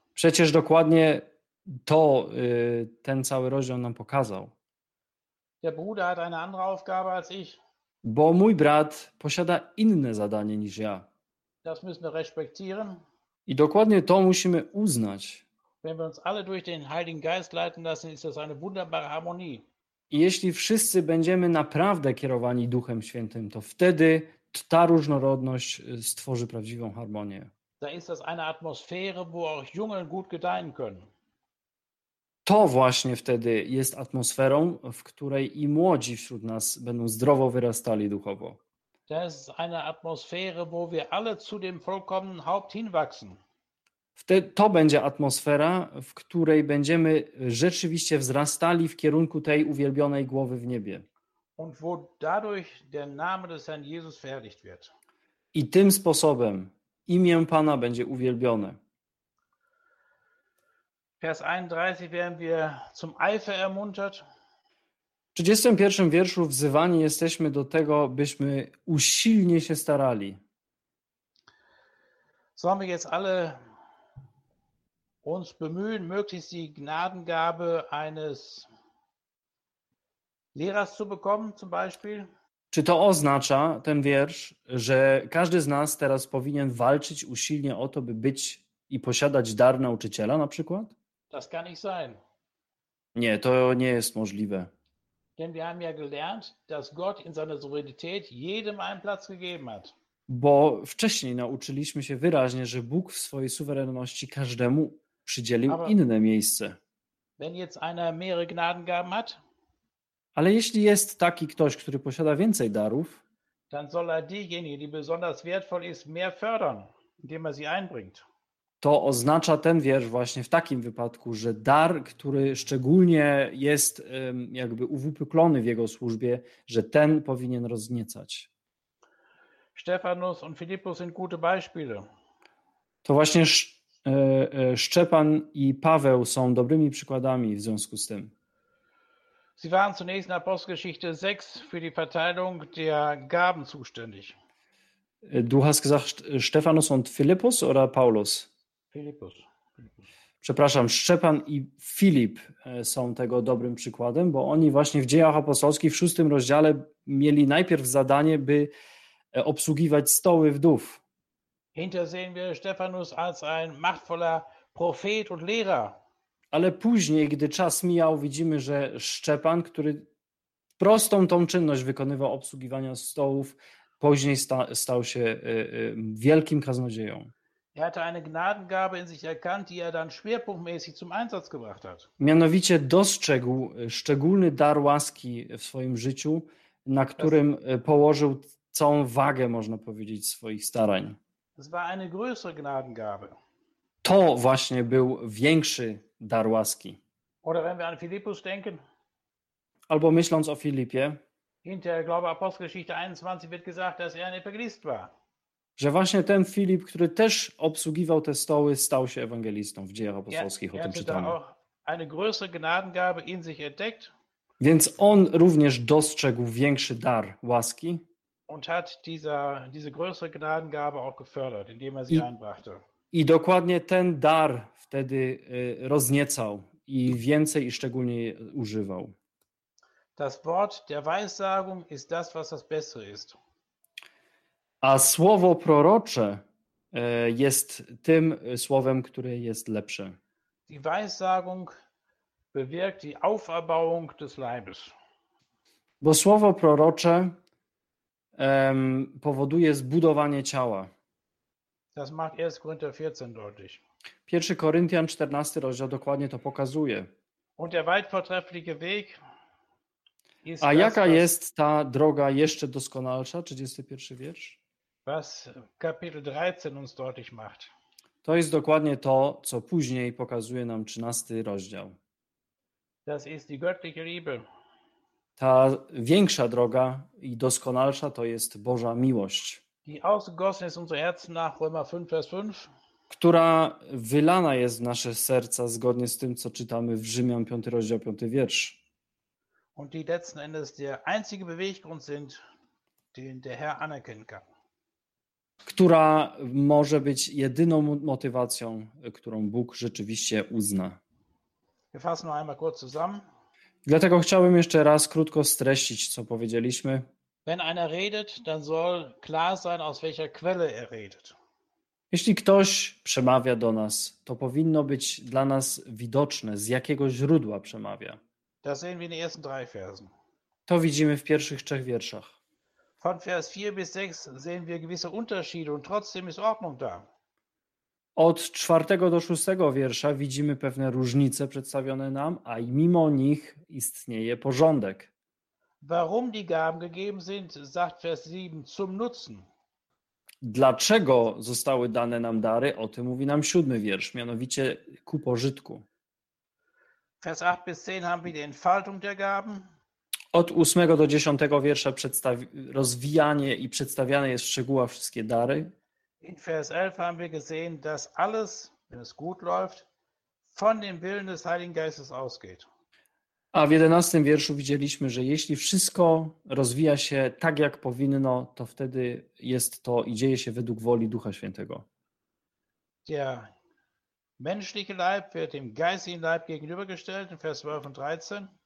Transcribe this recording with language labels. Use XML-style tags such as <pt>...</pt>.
<pl>Przecież dokładnie to ten cały rozdział nam pokazał.</pl> <de>Der Bruder hat eine andere Aufgabe als ich.</de> <pl>Bo mój brat posiada inne zadanie niż ja.</pl> <de>Das müssen wir respektieren.</de> <pl>I dokładnie to musimy uznać.</pl> <de>Wenn wir uns alle durch den Heiligen Geist leiten lassen, ist das eine wunderbare Harmonie.</de> <pl>I jeśli wszyscy będziemy naprawdę kierowani Duchem Świętym, to wtedy ta różnorodność stworzy prawdziwą harmonię.</pl> <de>Da ist das eine Atmosphäre, wo auch Jungen gut gedeihen können.</de> <pl>To właśnie wtedy jest atmosferą, w której i młodzi wśród nas będą zdrowo wyrastali duchowo.</pl> <de>Das ist eine Atmosphäre, wo wir alle zu dem vollkommenen Haupt hinwachsen.</de> <pl>To będzie atmosfera, w której będziemy rzeczywiście wzrastali w kierunku tej uwielbionej głowy w niebie.</pl> <de>Und wo dadurch der Name des Herrn Jesus verherrlicht wird.</de> <pl>I tym sposobem imię Pana będzie uwielbione.</pl> <de>Vers 31 werden wir zum Eifer ermuntert.</de> <pl>W 31 wierszu wzywani jesteśmy do tego, byśmy usilnie się starali.</pl> <de>Sollen wir jetzt alle uns bemühen, möglichst die Gnadengabe eines Lehrers zu bekommen, zum Beispiel?</de> <pl>Czy to oznacza, ten wiersz, że każdy z nas teraz powinien walczyć usilnie o to, by być i posiadać dar nauczyciela na przykład?</pl> <de>Das kann nicht sein.</de> <pl>Nie, to nie jest możliwe.</pl> <de>Denn wir haben ja gelernt, dass Gott in seiner Souveränität jedem einen Platz gegeben hat.</de> <pl>Bo wcześniej nauczyliśmy się wyraźnie, że Bóg w swojej suwerenności każdemu przydzielił</pl> <de>Aber</de> <pl>inne miejsce.</pl> <de>Wenn jetzt einer mehrere Gnadengaben hat,</de> <pl>ale jeśli jest taki ktoś, który posiada więcej darów,</pl> <de>dann soll er diejenige, die besonders wertvoll ist, mehr fördern, indem er sie einbringt.</de> <pl>To oznacza ten wiersz właśnie w takim wypadku, że dar, który szczególnie jest jakby uwypuklony w jego służbie, że ten powinien rozniecać.</pl> <de>Stephanus und Philippus sind gute Beispiele.</de> <pl>To właśnie Szczepan i Paweł są dobrymi przykładami w związku z tym.</pl> <de>Sie waren zunächst in Apostelgeschichte 6 für die Verteilung der Gaben zuständig. Du hast gesagt Stephanus und Philippus oder Paulus? Philippus.</de> <pl>Przepraszam, Szczepan i Filip są tego dobrym przykładem, bo oni właśnie w Dziejach Apostolskich w 6 rozdziale mieli najpierw zadanie, by obsługiwać stoły wdów.</pl> <de>Hinter sehen wir Stephanus als ein machtvoller Prophet und Lehrer.</de> <pl>Ale później, gdy czas mijał, widzimy, że Szczepan, który prostą tą czynność wykonywał obsługiwania stołów, później stał się wielkim kaznodzieją.</pl> <de>Er hatte eine Gnadengabe in sich erkannt, die er dann schwerpunktmäßig zum Einsatz gebracht hat.</de> <pl>Mianowicie dostrzegł szczególny dar łaski w swoim życiu, na którym położył całą wagę, można powiedzieć, swoich starań.</pl> <de>Es war eine größere Gnadengabe.</de> <pl>To właśnie był większy dar łaski.</pl> <de>Oder wenn wir an Philippus denken.</de> <pl>Albo myśląc o Filipie.</pl> <de>Hinterher, glaube Apostelgeschichte 21 wird gesagt, dass er ein Evangelist war.</de> <pl>Że właśnie ten Filip, który też obsługiwał te stoły, stał się ewangelistą w Dziejach Apostolskich, o tym czytamy.</pl> <de>Eine größere Gnadengabe in sich entdeckt.</de> <pl>Więc on również dostrzegł większy dar łaski.</pl> <de>Und hat diese größere Gnadengabe auch gefördert, indem er sie einbrachte.</de> <pl>I dokładnie ten dar wtedy rozniecał i więcej i szczególnie używał.</pl> <de>Das Wort der Weissagung ist das, was das Bessere ist.</de> <pl>A słowo prorocze jest tym słowem, które jest lepsze.</pl> <de>Die Weissagung bewirkt die Auferbauung des Leibes.</de> <pl>Bo słowo prorocze powoduje zbudowanie ciała.</pl> <de>Das macht 1. Korinther 14 deutlich.</de> <pl>1. Koryntian 14 rozdział dokładnie to pokazuje.</pl> <de>Und der weit vortreffliche Weg ist</de> <pl>A jaka</pl> <de>das,</de> <pl>jest ta droga jeszcze doskonalsza? 31. wiersz.</pl> <de>Was Kapitel 13 uns deutlich macht.</de> <pl>To jest dokładnie to, co później pokazuje nam 13 rozdział.</pl> <de>Das ist die göttliche Liebe.</de> <pl>Ta większa droga i doskonalsza to jest Boża miłość.</pl> <de>Die ausgegossen ist unser Herz nach Römer 5, Vers 5.</de> <pl>Która wylana jest w nasze serca zgodnie z tym, co czytamy w Rzymian 5, rozdział 5, wiersz.</pl> <de>Und die letzten Endes der einzige Beweggrund sind, den der Herr anerkennen kann.</de> <pl>Która może być jedyną motywacją, którą Bóg rzeczywiście uzna.</pl> <de>Wir fassen noch einmal kurz zusammen.</de> <pl>Dlatego chciałbym jeszcze raz krótko streścić, co powiedzieliśmy.</pl> <de>Wenn einer redet, dann soll klar sein, aus welcher Quelle er redet.</de> <pl>Jeśli ktoś przemawia do nas, to powinno być dla nas widoczne, z jakiego źródła przemawia.</pl> <de>Das sehen wir in den ersten drei Versen.</de> <pl>To widzimy w pierwszych trzech wierszach.</pl> <de>Von Vers 4 bis 6 sehen wir gewisse Unterschiede und trotzdem ist Ordnung da.</de> <pl>Od 4 do 6 wiersza widzimy pewne różnice przedstawione nam, a i mimo nich istnieje porządek.</pl> <de>Warum die Gaben gegeben sind, sagt Vers 7, zum Nutzen.</de> <pl>Dlaczego zostały dane nam dary, o tym mówi nam 7 wiersz, mianowicie ku pożytku.</pl> <de>Vers 8 bis 10 haben wir die Entfaltung der Gaben.</de> <pl>Od 8 do 10 wiersza rozwijanie i przedstawiane jest w szczegółach wszystkie dary.</pl> <de>In Vers 11 haben wir gesehen, dass alles, wenn es gut läuft, von dem Willen des Heiligen Geistes ausgeht.</de> <pl>A w 11 wierszu widzieliśmy, że jeśli wszystko rozwija się tak, jak powinno, to wtedy jest to i dzieje się według woli Ducha Świętego.</pl> <de>Der menschliche Leib wird dem geistigen Leib gegenübergestellt, in Vers 12 und 13.</de>